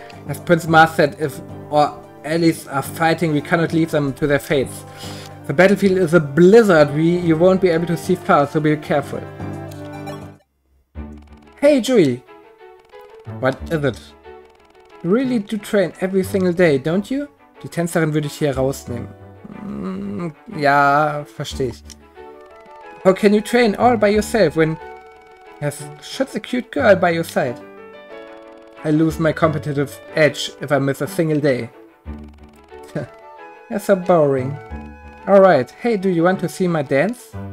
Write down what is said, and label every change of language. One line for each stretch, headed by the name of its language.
English: As Prince Mars said, if our allies are fighting, we cannot leave them to their fates. The battlefield is a blizzard, you won't be able to see far, so be careful. Hey, Joey! What is it? You really do train every single day, don't you?
German: Die Tänzerin würde ich hier rausnehmen. Ja, verstehe ich.
English: How can you train all by yourself when there's such a cute girl by your side? I lose my competitive edge if I miss a single day. That's so boring. Alright, hey, do you want to see my dance?